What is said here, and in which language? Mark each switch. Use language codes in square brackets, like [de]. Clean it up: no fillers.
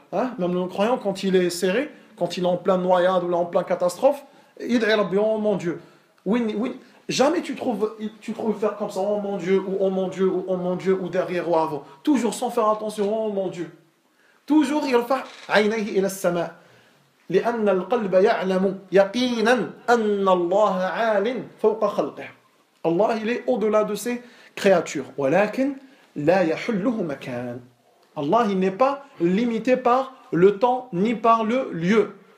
[fr] Même un non-croyant quand il est serré, quand il est en plein noyade ou en plein catastrophe, [ar] يدعي ربي [fr] oh mon Dieu. Oui. Jamais tu trouves faire comme ça, oh mon Dieu, ou oh mon Dieu, ou oh mon Dieu, ou derrière ou avant. Toujours sans faire attention, oh mon Dieu. Toujours il fait [ar] عينيه إلى السماء. لأن القلب يعلم يقينا أن الله عال فوق خلقه. [fr] Allah il est au-delà de ses créatures. [ar] ولكن لا يحله مكان. [fr] Allah il n'est pas limité par le temps, ni par le lieu.